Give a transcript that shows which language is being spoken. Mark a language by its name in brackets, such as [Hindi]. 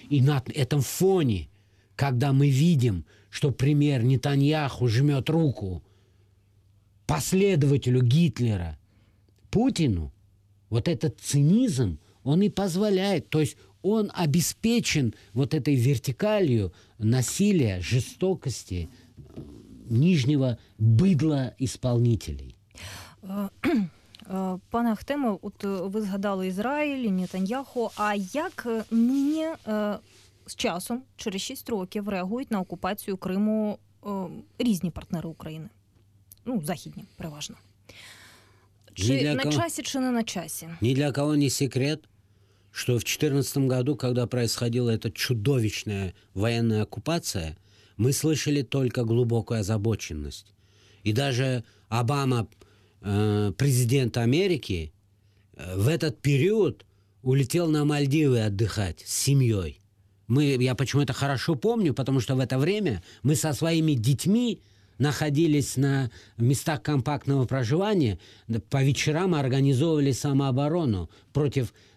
[Russian] И на этом фоне, когда мы видим, что премьер Нетаньяху жмет руку последователю Гитлера, Путину, вот этот цинизм, он и позволяет, то есть он обеспечен вот этой вертикалью насилия, жестокости нижнего быдла исполнителей. [Ukrainian] Пане Ахтеме, от ви згадали Ізраїль, Нетаньяху, а як нині з часом, через 6 років, реагують на окупацію Криму різні партнери України? Ну, західні, переважно. Чи на кого... часі, чи не на часі? Ні для кого не секрет, що в 14-му році, коли відбувалася ця чудовищна воєнна окупація, ми слышали тільки глибоку озабоченість. І навіть Обама, президент Америки, [Russian] в этот период улетел на Мальдивы отдыхать с семьей. Я почему это хорошо помню, потому что в это время мы со своими детьми находились на местах компактного проживания, по вечерам организовывали самооборону против...